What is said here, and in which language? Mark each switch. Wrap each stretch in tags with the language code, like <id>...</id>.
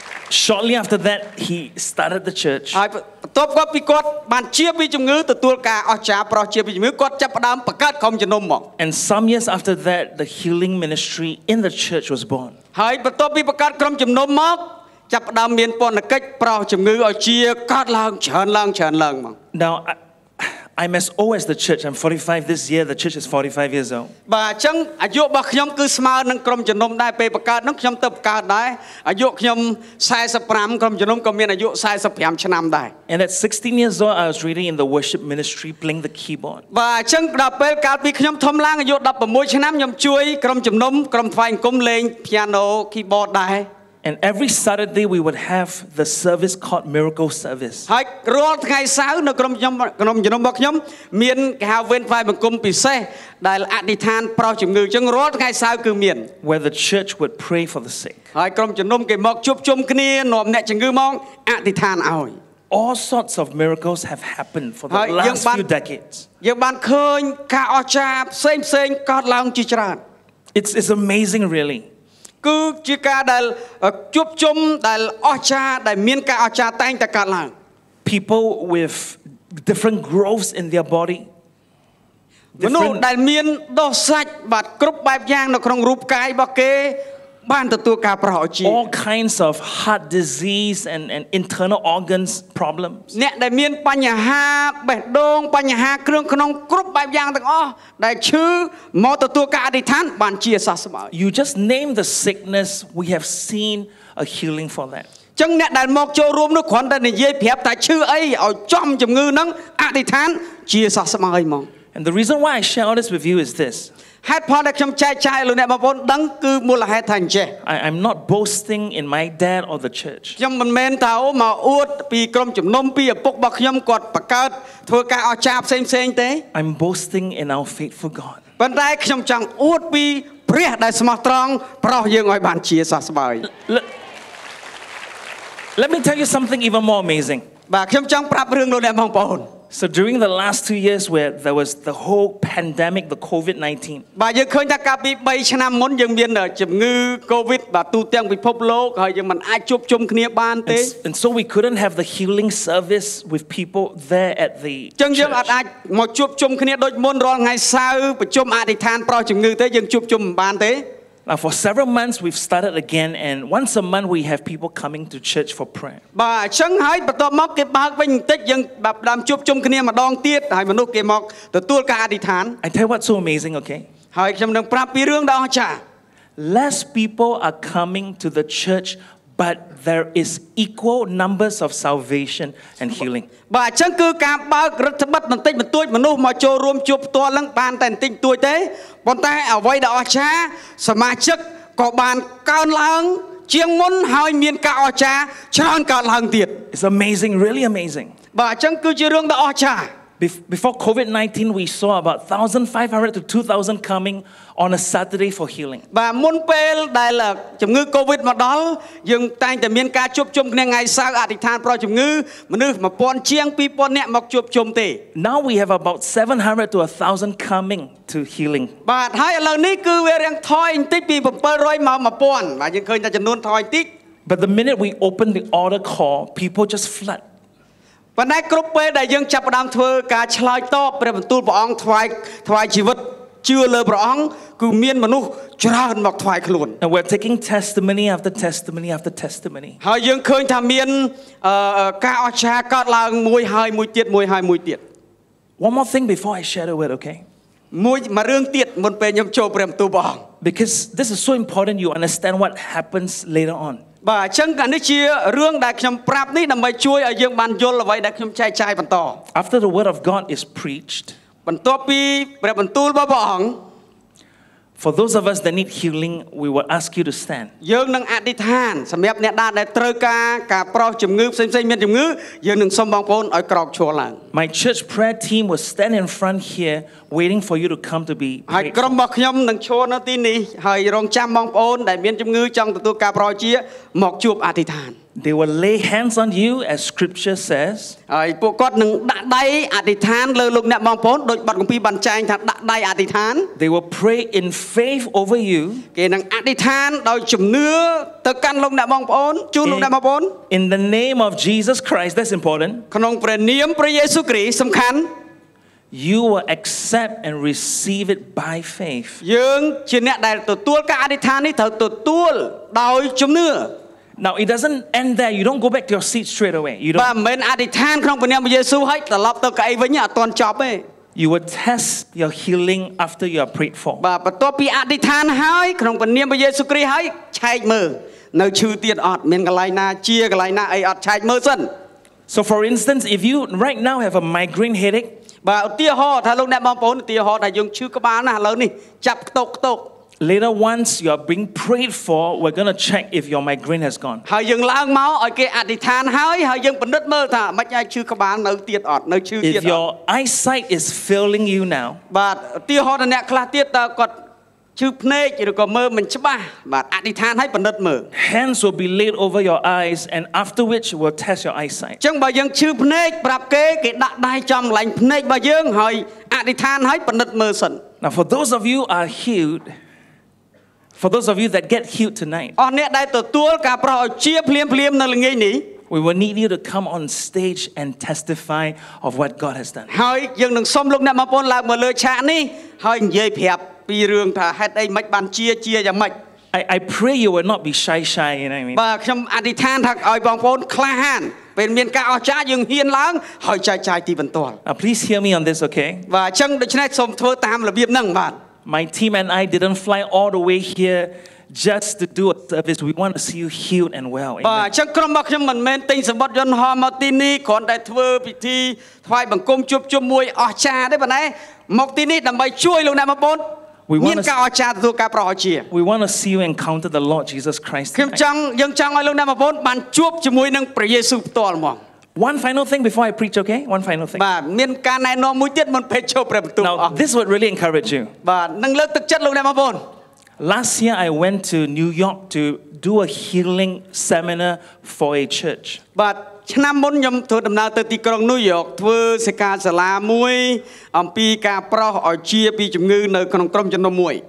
<en>Shortly after that he started the church.</en> <km>ហើយបន្ទាប់គាត់ពីគាត់បានជាពីជំងឺទទួលការអស្ចារ្យប្រោះជាពីជំងឺគាត់ចាប់ផ្ដើមបង្កើតក្រុមជំនុំមក</km> <en>And some years after that the healing ministry in the church was born.</en> <km>ហើយបន្ទាប់ពីបង្កើតក្រុមជំនុំមកចាប់ផ្ដើមមានពន្យល់កិច្ចប្រោះជំងឺឲ្យជាកើតឡើងច្រើនឡើងច្រើនឡើងមក</km> <en>Now I'm as old as the church. I'm 45 this year. The church is 45 years old.</en> <km>បាទអញ្ចឹងអាយុរបស់ខ្ញុំគឺស្មើនឹងក្រុមជំនុំដែរពេលបង្កើតនោះខ្ញុំទៅបង្កើតដែរអាយុខ្ញុំ45ក្រុមជំនុំក៏មានអាយុ45ឆ្នាំដែរ</km> <en>And at 16 years old I was really in the worship ministry playing the keyboard.</en> <km>បាទអញ្ចឹងដល់ពេលកាលពីខ្ញុំធំឡើងអាយុ16ឆ្នាំខ្ញុំជួយក្រុមជំនុំក្រុមថ្វាយអង្គមលេង piano keyboard ដែរ</km> <en>And every Saturday we would have the service called miracle service.</en> <km>ហើយរាល់ថ្ងៃសៅរ៍នៅក្រុមខ្ញុំក្នុងជំនុំរបស់ខ្ញុំមានគេហៅវេនផ្សាយបង្គំពិសេសដែលអធិដ្ឋានប្រោះជំងឺចឹងរាល់ថ្ងៃសៅរ៍គឺមាន</km> <en>Where the church would pray for the sick.</en> <km>ហើយក្រុមជំនុំគេមកជួបជុំគ្នានាំអ្នកជំងឺមកអធិដ្ឋានឲ្យ</km> <en>All sorts of miracles have happened for the last few decades.</en> <km>យើងបានឃើញការអស្ចារ្យផ្សេងផ្សេងកើតឡើងជាច្រើន</km> <en>It's amazing really.</en> <km>គឺជាការដែលជួបជុំដែលអស្ចារ្យដែលមានការអស្ចារ្យតែងតែកើតឡើង</km> <en>People with different growths in their body</en> <km>មនុស្សដែលមានដុសសាច់បាទគ្រប់បែបយ៉ាងនៅក្នុងរូបកាយរបស់គេបានទទួលការប្រោះអស្ចារ្យ</km> <en>All kinds of heart disease and internal organs problems</en> <km>អ្នកដែលមានបញ្ហាបេះដូងបញ្ហាគ្រឿងក្នុងគ្រប់បែបយ៉ាងទាំងអស់ដែលឈឺមកទទួលការអធិដ្ឋានបានជាសះស្បើយ</km> <en>You just name the sickness we have seen a healing for that</en> <km>ចឹងអ្នកដែលមកចូលរួមនោះគ្រាន់តែនិយាយប្រាប់ថាឈឺអីឲ្យចំជំងឺហ្នឹងអធិដ្ឋានជាសះស្បើយមក</km> <en>And the reason why I share this with you is this</en> <km>ហេតុផលដែលខ្ញុំចែកចាយលោកអ្នកបងប្អូនដឹងគឺមូលហេតុថាអញ្ចេះ</km> <en>I'm not boasting in my dad or the church</en> <km>ខ្ញុំមិនមែនថាអូមកអួតពីក្រុមជំនុំពីឪពុករបស់ខ្ញុំគាត់បង្កើតធ្វើការអស្ចារ្យផ្សេងផ្សេងទេ</km> <en>I'm boasting in our faithful God</en> <km>ប៉ុន្តែខ្ញុំចង់អួតពីព្រះដែលស្មោះត្រង់ប្រោះយើងឲ្យបានជាសះស្បើយ</km> <en>Let me tell you something even more amazing</en> <km>បាទខ្ញុំចង់ប្រាប់រឿងលោកអ្នកបងប្អូន</km> <en>So during the last 2 years where there was the whole pandemic the COVID-19.</en> <km>បាទយើងឃើញថាកាលពី3ឆ្នាំមុនយើងមានជំងឺ COVID បាទទូទាំងពិភពលោកហើយយើងមិនអាចជួបជុំគ្នាបានទេ</km> <en>And so we couldn't have the healing service with people there at the</en> <km>ចឹងយើងអាចមកជួបជុំគ្នាដូចមុនរាល់ថ្ងៃសៅរ៍ប្រជុំអធិដ្ឋានប្រោះជំងឺទេយើងជួបជុំមិនបានទេ</km> <en>Now for several months we've started again and once a month we have people coming to church for prayer.</en> <km>បាទអញ្ចឹងហើយបន្តមកគេបើកវិញបន្តិចយើងបាប់ដាំជួបជុំគ្នាម្ដងទៀតហើយមនុស្សគេមកទទួលការអធិដ្ឋាន</km> <en>I tell you what's so amazing okay.</en> <km>ហើយខ្ញុំនឹងប្រាប់ពីរឿងដ៏អស្ចារ្យ</km> <en>Less people are coming to the church but there is equal numbers of salvation and healing.</en> <km>បាទអញ្ចឹងគឺការបើករដ្ឋបတ်បន្តិចបន្តួចមនុស្សមកចូលរួមជួបផ្ទាល់នឹងបានតែបន្តិចបន្តួចទេប៉ុន្តែអ្វីដែលអស្ចារ្យសមាជិកក៏បានកើនឡើងជាងមុនហើយមានការអស្ចារ្យច្រើនកើនឡើងទៀត</km> <en>It's amazing, really amazing.</en> <km>បាទអញ្ចឹងគឺជារឿងដ៏អស្ចារ្យ</km> <en>Before COVID-19 we saw about 1500 to 2000 coming on a Saturday for healing.</en> <km>បាទមុនពេលដែលជំងឺ COVID មកដល់យើងតែងតែមានការជួបជុំគ្នាថ្ងៃសៅរ៍អធិដ្ឋានប្រជុំជំងឺមនុស្ស1000ជាង2000អ្នកមកជួបជុំទេ.</km> <en>Now we have about 700 to 1000 coming to healing.</en> <km>បាទហើយឥឡូវនេះគឺវារៀងថយបន្តិចពី700មក1000បាទយើងឃើញថាចំនួនថយបន្តិច.</km> <en>But the minute we opened the order call people just flooded.</en> <km>ប៉ុន្តែគ្រប់ពេលដែលយើងចាប់ផ្ដើមធ្វើការឆ្លើយតបព្រះបន្ទូលព្រះអង្គថ្វាយជីវិតជឿលើព្រះអង្គគឺមានមនុស្សច្រើនមកថ្វាយខ្លួន</km> <en>We're taking testimony after testimony after testimony</en> <km>ហើយយើងឃើញថាមានការអស្ចារ្យកើតឡើងមួយហើយមួយទៀតមួយហើយមួយទៀត</km> <en>One more thing before I share it with okay</en> <km>មួយមួយរឿងទៀតមុនពេលខ្ញុំចូលព្រះបន្ទូលព្រះអង្គ</km> <en>Because this is so important you understand what happens later on</en> <km>បាទអញ្ចឹងកានេះជារឿងដែលខ្ញុំប្រាប់នេះដើម្បីជួយឲ្យយើងបានយល់អ្វីដែលខ្ញុំចែកចាយបន្ត</km> <en>After the word of God is preached</en> <km>បន្ទាប់ពីព្រះបន្ទូលរបស់ព្រះអង្គ</km> <en>For those of us that need healing we will ask you to stand</en> <km>យើងនឹងអធិដ្ឋានសម្រាប់អ្នកដែលត្រូវការការប្រោះជំងឺផ្សេងៗមានជំងឺយើងនឹងសូមបងប្អូនឲ្យក្រោកឈរឡើង</km> <en>My church prayer team will stand in front here waiting for you to come to be</en> <km>ហើយក្រុមរបស់ខ្ញុំនឹងឈរនៅទីនេះហើយរង់ចាំបងប្អូនដែលមានជំងឺចង់ទទួលការប្រោះជាមកជួបអធិដ្ឋាន</km> <en>They will lay hands on you as scripture says</en> <km>ហើយពួកគាត់នឹងដាក់ដៃអធិដ្ឋានលើលោកអ្នកបងប្អូនដូចបទគម្ពីរបានចែងថាដាក់ដៃអធិដ្ឋាន</km> <en>They will pray in faith over you</en> <km>គេនឹងអធិដ្ឋានដោយជំនឿទៅកាន់លោកអ្នកបងប្អូនជូនលោកអ្នកបងប្អូន</km> <en>In the name of Jesus Christ that's important</en> <km>ក្នុងព្រះនាមព្រះយេស៊ូវគ្រីស្ទសំខាន់</km> <en>You will accept and receive it by faith.</en> <km>យើងជាអ្នកដែលទទួលការអធិដ្ឋាននេះត្រូវទទួលដោយជំនឿ</km> <en>Now it doesn't end there. You don't go back to your seat straight away. You don't.</en> <km>បាទមិនអធិដ្ឋានក្នុងព្រះនាមព្រះយេស៊ូវហើយត្រឡប់ទៅកៅអីវិញអត់ទាន់ចប់ទេ</km> <en>You will test your healing after you are prayed for.</en> <km>បាទបន្ទាប់ពីអធិដ្ឋានហើយក្នុងព្រះនាមព្រះយេស៊ូវគ្រីស្ទហើយឆែកមើលនៅឈឺទៀតអត់មានកន្លែងណាជាកន្លែងណាអីអត់ឆែកមើលសិន</km> <en>So for instance, if you right now have a migraine headache,</en> <km>បាទឧទាហរណ៍ថាលោកអ្នកបងប្អូនឧទាហរណ៍ថាយើងឈឺក្បាលណាស់ឥឡូវនេះចាប់ខ្ទប់</km> <en>Later once you are being prayed for we're going to check if your migraine has gone</en> <km>ហើយយើងឡើងមកឲ្យគេអធិដ្ឋានហើយហើយយើងពិនិត្យមើលថាមិនអាចឈឺក្បាលនៅទៀតអត់នៅឈឺទៀតអត់</km> <en>If your eyesight is failing you now</en> <km>បាទឧទាហរណ៍ថាអ្នកខ្លះទៀតតើគាត់ឈឺភ្នែកឬក៏មើលមិនច្បាស់បាទអធិដ្ឋានឲ្យពិនិត្យមើល</km> <en>Hands will be laid over your eyes and after which we'll test your eyesight</en> <km>ចឹងបើយើងឈឺភ្នែកប្រាប់គេដាក់ដៃចំកន្លែងភ្នែករបស់យើងហើយអធិដ្ឋានឲ្យពិនិត្យមើលសិន</km> <en>Now for those of you are healed For those of you that get healed tonight.</en> <km>អរអ្នកដែលទទួលការប្រោះជាភ្លាមនៅល្ងាចនេះ</km> <en>We will need you to come on stage and testify of what God has done.</en> <km>ហើយយើងនឹងសុំលោកអ្នកបងប្អូនឡើងមកលើឆាកនេះហើយនិយាយប្រាប់ពីរឿងថាហេតុអីមិនបានជាយ៉ាងម៉េច</km> <en>I pray you will not be shy you know what I mean.</en> <km>បាទខ្ញុំអធិដ្ឋានថាឲ្យបងប្អូនក្លាហានពេលមានការអស្ចារ្យយើងហ៊ានឡើងហើយចាយទីបន្ទាល់</km> <en>Please hear me on this okay?</en> <km>បាទអញ្ចឹងដូច្នេះសូមធ្វើតាមរបៀបហ្នឹងបាទ</km> <en>My team and I didn't fly all the way here just to do a service. We want to see you healed and well.</en> <km>បាទអញ្ចឹងក្រុមរបស់ខ្ញុំមិនមែនទិញសបត់យន្តហោះមកទីនេះគ្រាន់តែធ្វើពិធីថ្វាយបង្គំជួបជុំមួយអស្ចារ្យទេប៉ុន្តែមកទីនេះដើម្បីជួយលោកអ្នកបងប្អូនមានការអស្ចារ្យទទួលការប្រោះអស្ចារ្យ</km> <en>We want to see you encounter the Lord Jesus Christ.</en> <km>ខ្ញុំចង់យើងចង់ឲ្យលោកអ្នកបងប្អូនបានជួបជាមួយនឹងព្រះយេស៊ូវផ្ទាល់មក</km> <en>One final thing before I preach okay one final thing</en> <km>បាទមានការណែនាំមួយទៀតមុនពេលចូលព្រះបន្ទូល</km> <en>អស់ This would really encourage you</en> <km>បាទនឹងលើកទឹកចិត្តលោកអ្នកបងប្អូន</km> <en>Last year I went to New York to do a healing seminar for a church</en> <km>បាទឆ្នាំមុនខ្ញុំធ្វើដំណើរទៅទីក្រុង New York ធ្វើសិក្ខាសាលាមួយអំពីការប្រោះឲ្យជាពីជំងឺនៅក្នុងក្រុមជំនុំមួយ</km>